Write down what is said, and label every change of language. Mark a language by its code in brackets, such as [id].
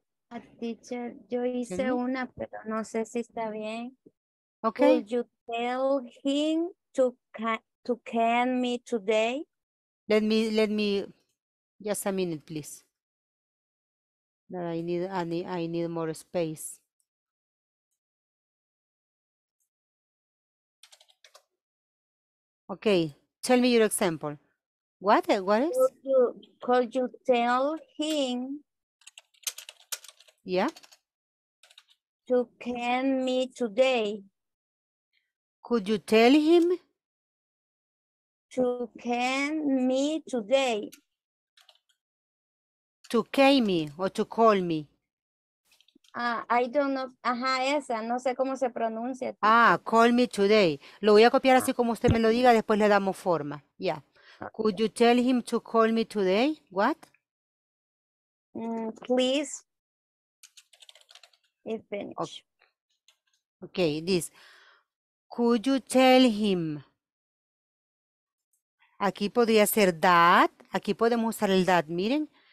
[en] A teacher, [es] yo hice una, pero no sé si está bien. [en] Okay. Could you tell him to can me today? Let me just a minute, please. I need more space. Okay, tell me your example. What is? Could you tell him? Yeah. To can me today. Could you tell him? To can me today. To can me or to call me? I don't know. [es] Ajá, esa. No sé cómo se pronuncia. [en] Ah, call me today. [es] Lo voy a copiar así como usted me lo diga, después le damos forma. [en] Yeah. Could you tell him to call me today? What? Please. It finished. Okay, this. Could you tell him? [es] Aquí podría ser that. Aquí podemos usar el that, miren.